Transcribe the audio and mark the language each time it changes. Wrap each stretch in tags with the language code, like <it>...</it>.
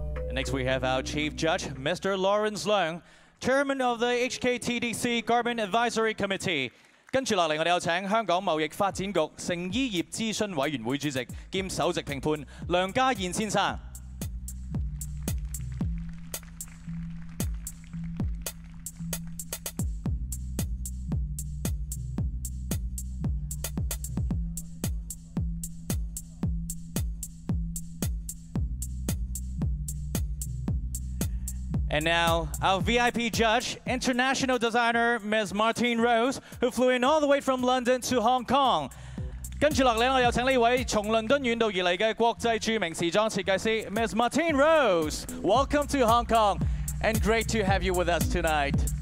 <en>Next, we have our Chief Judge, Mr. Lawrence Leung, Chairman of the HKTDC Garment Advisory Committee.</en> <yue>跟住落嚟，我哋有請香港貿易發展局成衣業諮詢委員會主席兼首席評判梁家燕先生。</yue> <en>And now, our VIP judge, international designer, Ms. Martine Rose, who flew in all the way from London to Hong Kong.</en> <yue>跟住落嚟，我有请呢位从伦敦远道而嚟嘅国际著名时装设计师 Ms. Martine Rose.</yue> <en>Welcome to Hong Kong, and great to have you with us tonight.</en>